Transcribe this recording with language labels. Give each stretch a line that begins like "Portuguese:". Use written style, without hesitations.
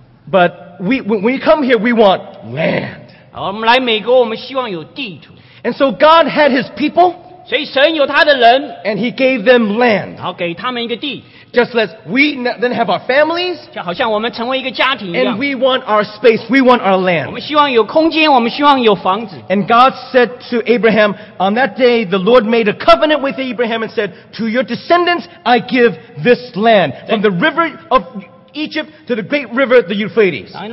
English: But when you come here, we want land.
Chinese: 我们来美国，我们希望有地图。
English: And so God had His people.
Chinese: 所以神有他的人。
English: And He gave them land.
Chinese: 然后给他们一个地。
English: Just as we then have our families.
Chinese: 就好像我们成为一个家庭一样。
English: And we want our space. We want our land.
Chinese: 我们希望有空间，我们希望有房子。
English: And God said to Abraham, on that day, the Lord made a covenant with Abraham and said, to your descendants, I give this land from the river of Egypt to the great river, the Euphrates.